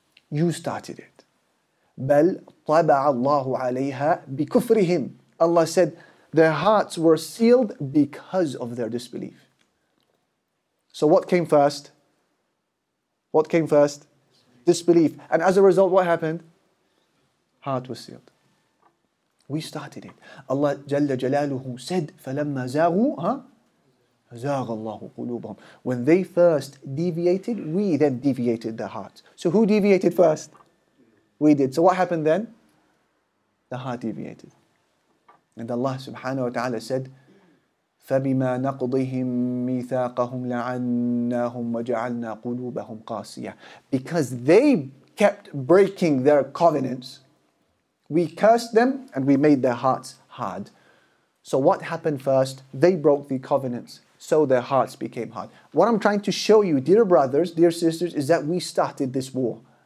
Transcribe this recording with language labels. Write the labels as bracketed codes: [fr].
[en] You started it. [ar] بَلْ طَبَعَ اللَّهُ عَلَيْهَا بِكُفْرِهِمْ. [en] Allah said, their hearts were sealed because of their disbelief. So what came first? What came first? Disbelief. And as a result, what happened? Heart was sealed. We started it. Allah Jalla Jalaluhu said, [ar] فَلَمَّا زَاغُوا زَاغَ اللَّهُ قُلُوبَهُمْ. [en] When they first deviated, we then deviated their hearts. So who deviated first? We did. So what happened then? The heart deviated. And Allah subhanahu wa ta'ala said, [ar] فَبِمَا نَقْضِهِمْ مِيثَاقَهُمْ لَعَنَّاهُمْ وَجَعَلْنَا قُلُوبَهُمْ قَاسِيَةً. [en] Because they kept breaking their covenants, we cursed them and we made their hearts hard. So what happened first? They broke the covenants, so their hearts became hard. What I'm trying to show you, dear brothers, dear sisters, is that we started this war.